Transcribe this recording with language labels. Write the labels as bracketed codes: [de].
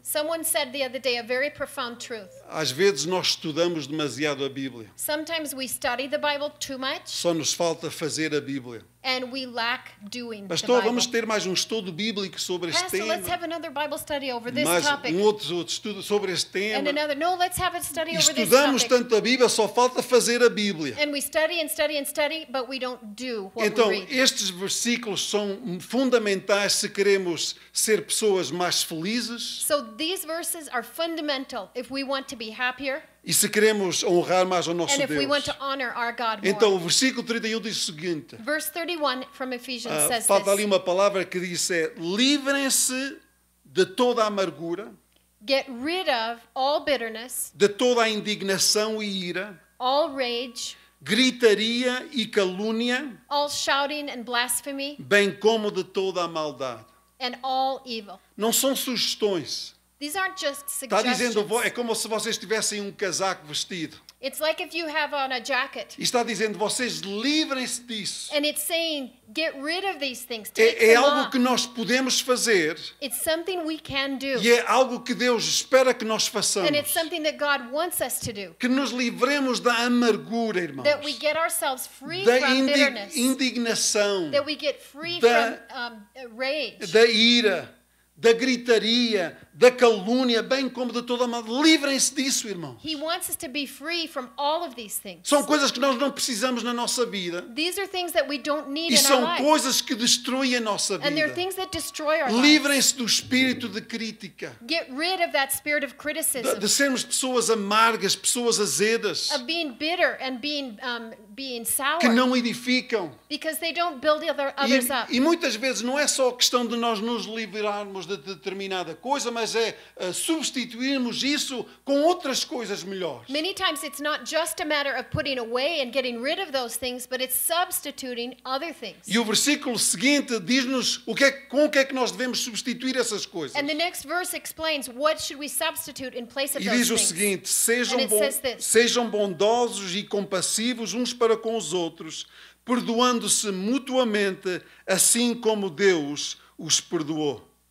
[en] Someone said the other day a very profound truth. [pt] Às vezes nós estudamos demasiado a Bíblia. [en] Sometimes we study the Bible too much. [pt] Só nos falta fazer a Bíblia. [en] And we lack doing. [pt] Pastor, vamos ter mais um estudo bíblico sobre este tema. [en] Let's have another Bible study over this [pt] mais [en] topic. [pt] Um outro estudo sobre este tema. [en] And another. No, let's have a study over this topic. [pt] Estudamos tanto a Bíblia, só falta fazer a Bíblia. [en] And we study and study and study, but we don't do what [pt] então, [en] we [pt] então, estes versículos são fundamentais se queremos ser pessoas mais felizes. [en] So these verses are fundamental if we want to be happier. [pt] E se queremos honrar mais o nosso Deus. [en] We want to honor our God more. [pt] Então, o versículo 31 diz o seguinte. [en] Verse 31 from Ephesians says [pt] falta [en] this. [pt] Falta ali uma palavra que diz é, livrem-se de toda a amargura. [en] Get rid of all bitterness. [pt] De toda a indignação e ira. [en] All rage. [pt] Gritaria e calúnia. [en] All shouting and blasphemy. [pt] Bem como de toda a maldade. [en] And all evil. [pt] Não são sugestões. [en] These aren't just suggestions. [pt] Está dizendo, é como se vocês tivessem um casaco vestido. [en] It's like if you have on a jacket. [pt] E está dizendo, vocês livrem-se disso. [en] And it's saying, get rid of these things. [pt] É algo que nós podemos fazer. [en] It's something we can do. [pt] E é algo que Deus espera que nós façamos. [en] And it's something that God wants us to do. [pt] Que nos livremos da amargura, irmãos. [en] That we get ourselves free from bitterness. [pt] Indignação. [en] That we get free from rage. [pt] Da ira. Da gritaria, da calúnia, bem como de toda a maldade. Livrem-se disso, irmãos. [en] He wants us to be free from all of these things. [pt] São coisas que nós não precisamos na nossa vida. [en] These are things that we don't need [pt] e são coisas que destroem a nossa vida. [en] And they're things that destroy our [pt] Livrem-se do espírito de crítica. [en] Get rid of that spirit of criticism. [pt] De sermos pessoas amargas, pessoas azedas. [en] Of being bitter and being, being sour. [pt] Que não edificam. [en] Because they don't build others up. [pt] E muitas vezes não é só a questão de nós nos livrarmos de determinada coisa, mas é substituirmos isso com outras coisas melhores. [en] Many times it's not just a matter of putting away and getting rid of those things, but it's substituting other things. [pt] E o versículo seguinte diz-nos com o que é que nós devemos substituir essas coisas. [en] And the next verse explains what should we substitute in place of those things. [pt] E diz o seguinte: sejam bondosos e compassivos uns para com os outros, perdoando-se mutuamente, assim como Deus os perdoou.